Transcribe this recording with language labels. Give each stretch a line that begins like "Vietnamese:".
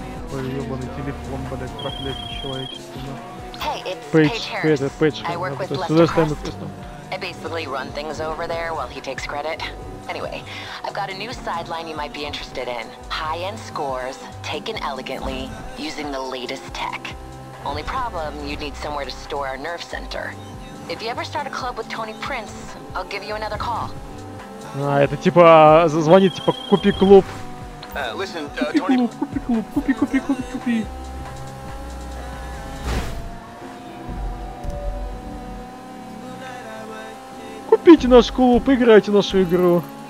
Russian: Твой ебаный телефон, блядь, проклятие человечества. Пейдж, это Пейдж. Сюда ставим отпустим.
English: I basically run things over there while he takes credit. Anyway, I've got a new sideline you might be interested in. High-end scores, taken elegantly, using the latest tech. Only problem, you'd need somewhere to store our nerve center. If you ever start a club with Tony Prince, I'll give you another call.
Russian: А, это типа, звонит, типа, купи клуб.
English: Listen,
Russian: купи клуб. Купите наш клуб, играйте нашу игру.